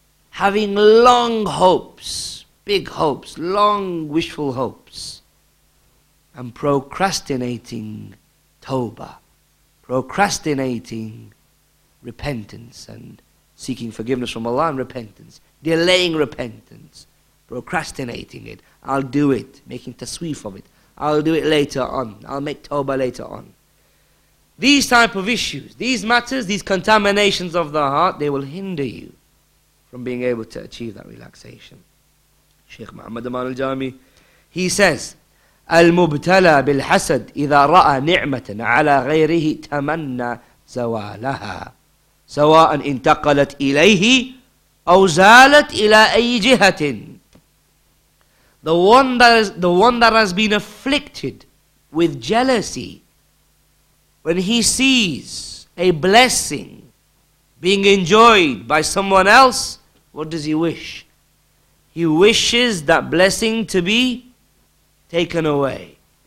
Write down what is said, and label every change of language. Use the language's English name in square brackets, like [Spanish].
[English] having long hopes, big hopes, long wishful hopes, and procrastinating tawbah, procrastinating repentance and seeking forgiveness from Allah, and repentance, delaying repentance, procrastinating it. I'll do it, making tasweef of it. I'll do it later on. I'll make tawbah later on. These type of issues, these matters, these contaminations of the heart, they will hinder you from being able to achieve that relaxation. Sheikh Muhammad Aman al-Jami, he says, [Arabic] المبتلى بالحسد إذا رأى نعمة على غيره تمنى زوالها سواء انتقلت إليه أو زالت إلى أي جهة. [English] The one that has been afflicted with jealousy, when he sees a blessing being enjoyed by someone else, what does he wish? He wishes that blessing to be taken away.